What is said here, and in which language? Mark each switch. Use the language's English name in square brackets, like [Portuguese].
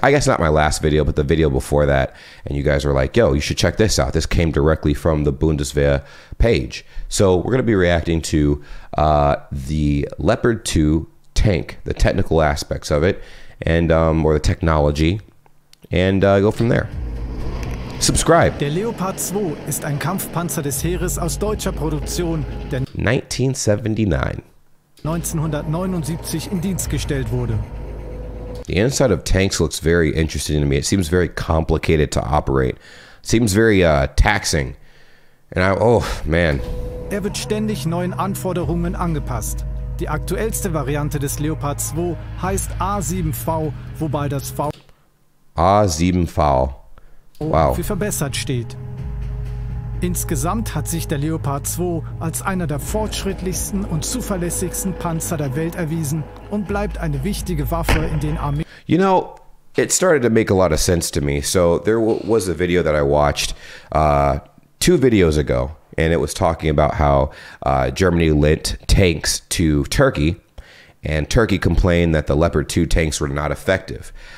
[English] I guess not my last video, but the video before that. And you guys were like, yo, you should check this out. This came directly from the Bundeswehr page. So we're going to be reacting to the Leopard 2 tank, the technical aspects of it, and or the technology, and go from there. Subscribe. [German] Der Leopard 2 ist ein Kampfpanzer des Heeres aus deutscher Produktion, der 1979 in Dienst gestellt wurde. [English] The inside of tanks looks very interesting to me. It seems very complicated to operate. Seems very taxing. And oh man. [German] Er wird ständig neuen Anforderungen angepasst. Die aktuellste Variante des Leopard 2 heißt A7V, wobei das V [English] A7V. Wow. [German] Für verbessert steht. Insgesamt hat sich der Leopard 2 als einer der fortschrittlichsten und zuverlässigsten Panzer der Welt erwiesen und bleibt eine wichtige Waffe in den Armeen. [English] You know, it started to make a lot of sense to me. So there was a video that I watched two videos ago, and it was talking about how Germany lent tanks to Turkey, and Turkey complained that the Leopard 2 tanks were not effective.